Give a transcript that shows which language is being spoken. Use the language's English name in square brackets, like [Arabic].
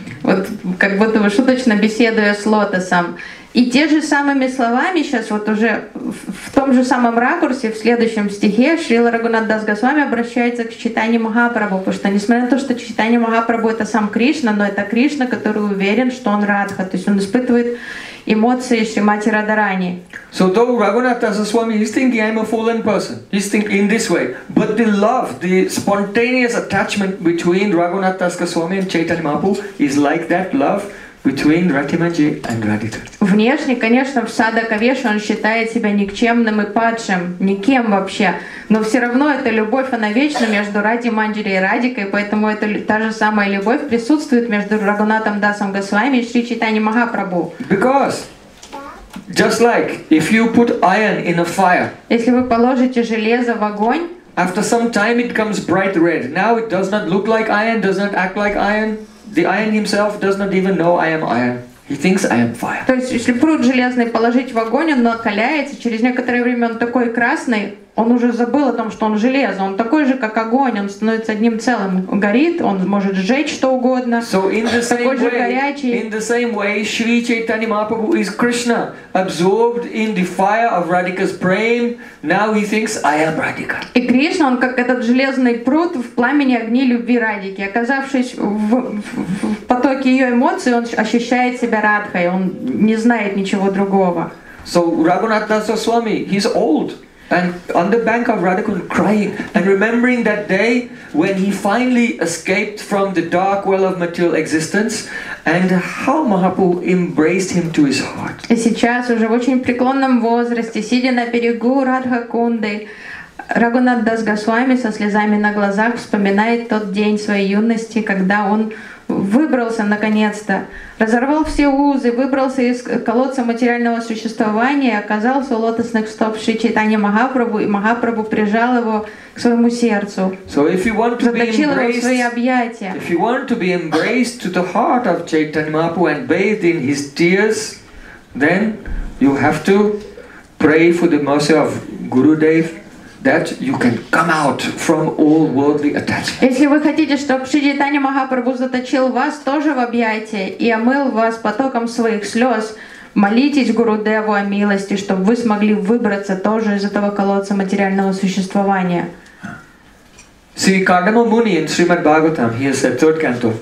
[Russian] Вот как будто бы шуточно беседуя с лотосом. И те же самыми словами сейчас вот уже в том же самом ракурсе, в следующем стихе, Шрила Рагунат Дас Госвами обращается к Чайтанье Махапрабху, потому что несмотря на то, что Чайтанье Махапрабху это сам Кришна, но это Кришна, который уверен, что он Радха. То есть он испытывает эмоции Шримати Радарани. [English] So though Raghunath Dasa Swami is thinking I'm a fallen person, he's thinking in this way, but the love, the spontaneous attachment between Raghunath Dasa Swami and Chaitanya Mahaprabhu is like that love between Ratimanji and Radhika. [Russian] Внешне, конечно, в Садакавеше он считает себя никчемным и падшим, никем вообще, но все равно эта любовь, она вечна между Ратиманджари и Радикой, поэтому это та же самая любовь присутствует между Рагунатом Дасом Госвами и Шри Чайтанья Махапрабху. [English] Because just like if you put iron in a fire, [Russian] если вы положите железо в огонь, [English] after some time it comes bright red. Now it does not look like iron, does not act like iron. The iron himself does not even know I am iron. He thinks I am fire. [Russian] То есть если пруд железный положить в огонь, он накаляется, через некоторое время он такой красный, он уже забыл о том, что он железо, он такой же как огонь, он становится одним целым, горит, он может сжечь что угодно. [English] So in the same [Russian] такой [English] way, [Russian] же горячий. [English] In the same way, Shri Chaitanya Mahaprabhu is Krishna, absorbed in the fire of Radhika's prem. Now he thinks I am Radhika. [Russian] И Кришна, он как этот железный пруд в пламени огней любви Радхики, оказавшись в потоке ее эмоций, он ощущает себя Радхой, он не знает ничего другого. [English] So Raghunath Dasa Swami, he's old. And on the bank of Radhakund crying and remembering that day when he finally escaped from the dark well of material existence and how Mahaprabhu embraced him to his heart. [Russian] И сейчас уже в очень преклонном возрасте, сидя на берегу Радхакунды, Рагунат Дас Госвами со слезами на глазах вспоминает тот день своей юности, когда он выбрался наконец-то, разорвал все узы, выбрался из колодца материального существования, оказался у лотосных стоп Шри Чайтанья Махапрабху, и Махапрабху прижал его к своему сердцу, заточил его в свои объятия. [English] If you want to be embraced to the heart of Chaitanya Mahaprabhu and bathed in his tears, then you have to pray for the mercy of Gurudev, that you can come out from all worldly attachments. [Russian] Если вы хотите, чтобы Шри Чайтанья Махапрабху заточил вас тоже в объятия и омыл вас потоком своих слез, молитесь Гурудеву о милости, чтобы вы смогли выбраться тоже из этого колодца материального существования. [English] See, Kardama Muni in Srimad Bhagavatam, he has said, third canto.